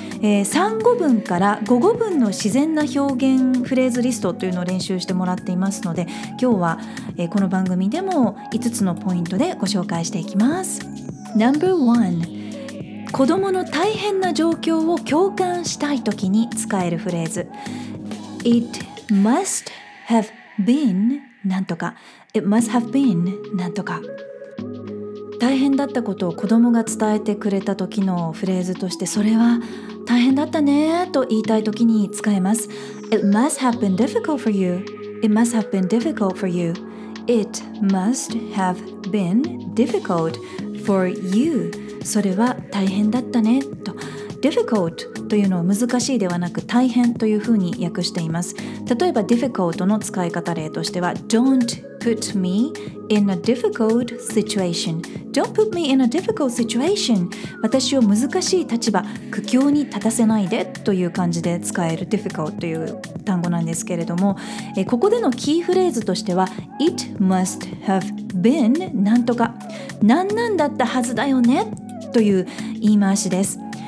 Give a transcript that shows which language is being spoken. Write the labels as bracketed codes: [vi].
[ja] 3語文から5語文の自然な表現フレーズリストというのを練習してもらっていますので、今日は、この番組でも5つのポイントでご紹介していきます。 No.1 子どもの大変な状況を共感したいときに使えるフレーズ。 [en] It must have been [ja] なんとか、 [en] It must have been なんとか。 [ja] 大変だったことを子どもが伝えてくれた時のフレーズとして、それは大変だったねと言いたい時に使えます。 [en] It must have been difficult for you. It must have been difficult for you. It must have been difficult for you. [ja] それは大変だったねと。Difficult というのは難しいではなく大変というふうに訳しています。例えば difficult の使い方例としては、 [en] Don't put me in a difficult situation. Don't put me in a difficult situation. [ja] 私を難しい立場、苦境に立たせないでという感じで使える difficult という単語なんですけれども、ここでのキーフレーズとしては、 [en] It must have been [ja] なんとか、なんなんだったはずだよねという言い回しです。